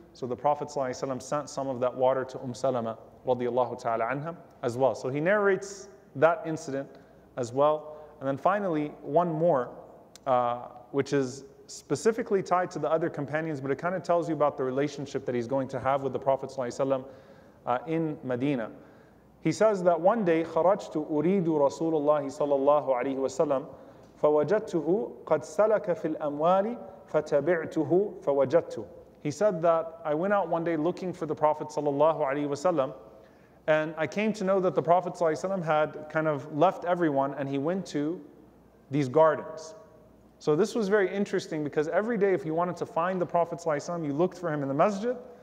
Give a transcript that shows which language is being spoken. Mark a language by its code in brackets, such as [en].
[en] So the Prophet ﷺ sent some of that water to Salama radiallahu ta'ala anha as well. So he narrates that incident as well. And then finally, one more, which is specifically tied to the other companions, but it kind of tells you about the relationship that he's going to have with the Prophet ﷺ in Medina. He says that one day, [ar] خَرَجْتُ أُرِيدُ رَسُولَ اللَّهِ صَلَى اللَّهُ عَلَيْهِ وَسَلَّمْ فَوَجَدْتُهُ قَدْ سَلَكَ فِي الْأَمْوَالِ فَتَبِعْتُهُ فَوَجَدْتُهُ. [en] He said that I went out one day looking for the Prophet ﷺ, and I came to know that the Prophet ﷺ had kind of left everyone and he went to these gardens. So this was very interesting, because every day if you wanted to find the Prophet ﷺ, you looked for him in the masjid.